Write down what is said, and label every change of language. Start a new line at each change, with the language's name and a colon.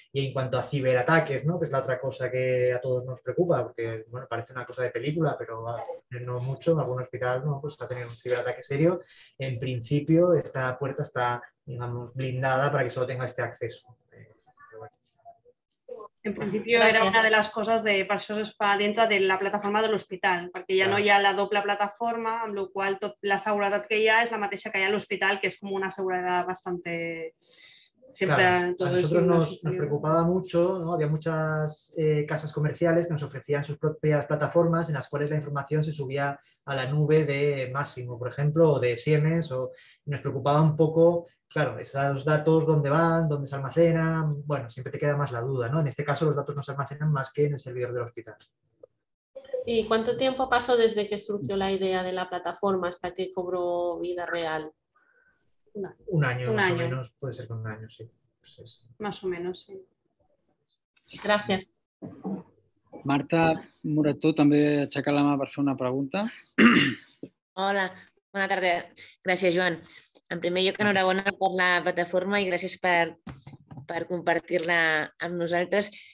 Spanish: Y en cuanto a ciberataques, ¿no?, que es la otra cosa que a todos nos preocupa, porque bueno, parece una cosa de película, pero no mucho, en algún hospital, ¿no?, pues va a tener un ciberataque serio. En principio, esta puerta está, digamos, blindada para que solo tenga este acceso. Pero bueno. En principio era una de las cosas de
Catalan: per això es fa dintre de la plataforma de l'hospital, perquè ja no hi ha la doble plataforma, amb la qual tot la seguretat que hi ha és la mateixa que hi ha a l'hospital, que és com una seguretat bastante
Spanish: siempre a nosotros nos preocupaba mucho, ¿no? Había muchas casas comerciales que nos ofrecían sus propias plataformas en las cuales la información se subía a la nube de Máximo, por ejemplo, o de Siemens, o nos preocupaba un poco, claro, esos datos, ¿dónde van? ¿Dónde se almacenan? Bueno, siempre te queda más la duda, ¿no? En este caso los datos no se almacenan más que en el servidor del hospital. ¿Y cuánto tiempo pasó desde que surgió la idea de la plataforma hasta que cobró vida real? Un año. O menos, puede ser con un año, sí. Más o menos, sí. Gracias.
Catalan: Marta Murató també aixeca la mà per fer una pregunta. Hola, bona tarda. Gràcies, Joan. En primer lloc, enhorabona per la plataforma i gràcies per compartir-la amb nosaltres.